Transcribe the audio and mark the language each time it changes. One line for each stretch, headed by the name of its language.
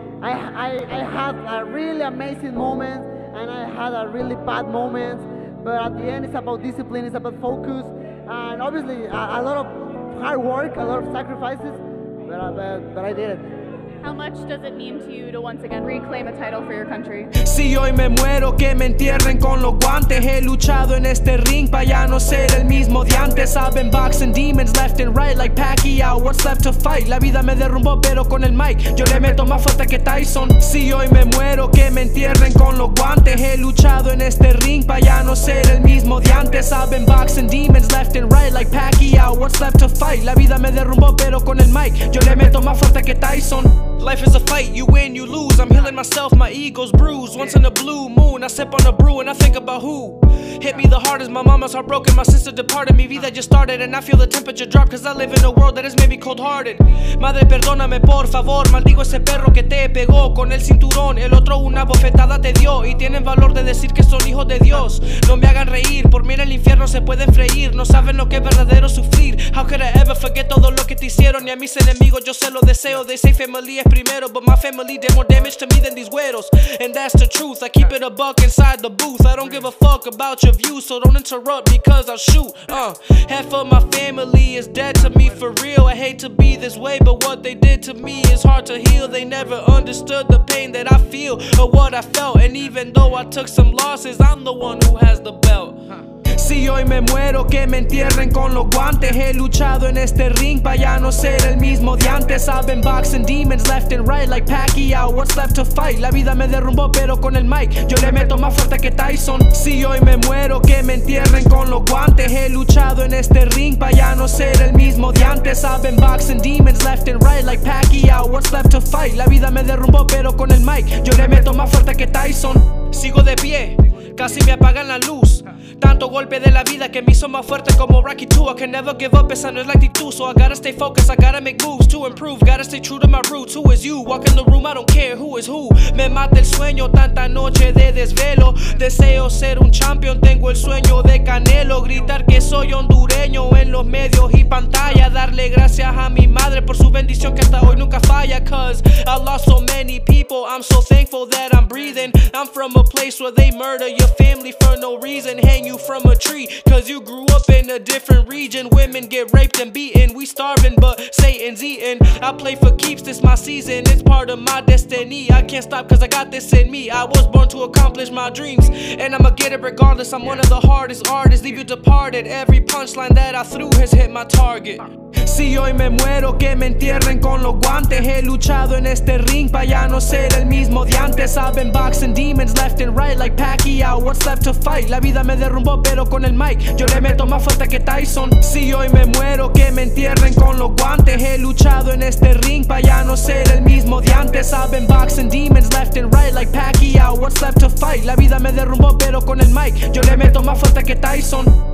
English: I had a really amazing moment and I had a really bad moment, but at the end it's about discipline, it's about focus, and obviously a lot of hard work, a lot of sacrifices, but I did it. How much does it mean to you to once again reclaim a title for your country?
Spanish: Si hoy me muero, que me entierren con los guantes. He luchado en este ring pa' ya no ser el mismo de antes.
English: I've been boxing demons left and right like Pacquiao. What's left to fight?
Spanish: La vida me derrumbó, pero con el mic yo le meto más fuerte que Tyson. Si hoy me muero, que me entierren con los guantes. He luchado en este ring pa' ya no ser el mismo de antes.
English: I've been boxing demons left and right like Pacquiao. What's left to fight?
Spanish: La vida me derrumbó, pero con el mic yo le meto más fuerte que Tyson.
English: Life is a fight, you win, you lose. I'm healing myself, my ego's bruised. Once in a blue moon, I sip on a brew and I think about who hit me the hardest. My mama's heart broken, my sister departed.
Spanish: Mi vida
English: just started and I feel the temperature drop, cause I live in a world that has made me cold hearted.
Spanish: Madre, perdóname por favor. Maldigo ese perro que te pegó con el cinturón. El otro una bofetada te dio y tienen valor de decir que son hijos de Dios. No me hagan reír, por mí en el infierno se pueden freír. No saben lo que es verdadero sufrir.
English: How could I ever forget
Spanish: todo lo que te hicieron? Y a mis enemigos yo se lo deseo.
English: They say family
Spanish: es primero,
English: but my family did more damage to me than these güeros. And that's the truth, I keep it a buck inside the booth. I don't give a fuck about your views, so don't interrupt because I'll shoot. Half of my family is dead to me for real. I hate to be this way, but what they did to me is hard to heal. They never understood the pain that I feel or what I felt. And even though I took some losses, I'm the one who has the belt.
Spanish: Si hoy me muero, que me entierren con los guantes. He luchado en este ring pa' ya no ser el mismo de antes.
English: I've been boxing demons left and right like Pacquiao. What's left to fight?
Spanish: La vida me derrumbó, pero con el mic yo le meto más fuerte que Tyson. Si hoy me muero, que me entierren con los guantes. He luchado en este ring pa' ya no ser el mismo de antes.
English: I've been boxing demons left and right like Pacquiao. What's left to fight?
Spanish: La vida me derrumbó, pero con el mic yo le meto más fuerte que Tyson. Sigo de pie, casi me apagan la luz. Tanto golpe de la vida que me hizo más fuerte como Rocky 2.
English: I can never give up,
Spanish: esa no es la actitud.
English: So I gotta stay focused, I gotta make moves to improve. Gotta stay true to my roots, who is you? Walk in the room, I don't care who is who.
Spanish: Me mata el sueño, tanta noche de desvelo. Deseo ser un champion, tengo el sueño de Canelo. Gritar que soy hondureño en los medios y pantalla. Darle gracias a mi madre por su bendición que hasta hoy nunca falla.
English: Cause I lost so many people, I'm so thankful that I'm breathing. I'm from a place where they murder your family for no reason. Hang you from a tree, cause you grew up in a different region. Women get raped and beaten, we starving, but Satan's eating. I play for keeps, this my season, it's part of my destiny. I can't stop cause I got this in me. I was born to accomplish my dreams, and I'ma get it regardless. I'm one of the hardest artists, leave you departed. Every punchline that I threw has hit my target.
Spanish: Si hoy me muero, que me entierren con los guantes. He luchado en este ring pa' ya no ser el mismo de antes.
English: I've been boxing demons left and right like Pacquiao. What's left to fight?
Spanish: La vida me derrumbó, pero con el mic yo le meto más fuerte que Tyson. Si hoy me muero, que me entierren con los guantes. He luchado en este ring pa' ya no ser el mismo de antes.
English: I've been boxing demons left and right like Pacquiao. What's left to fight?
Spanish: La vida me derrumbó, pero con el mic yo le meto más fuerte que Tyson.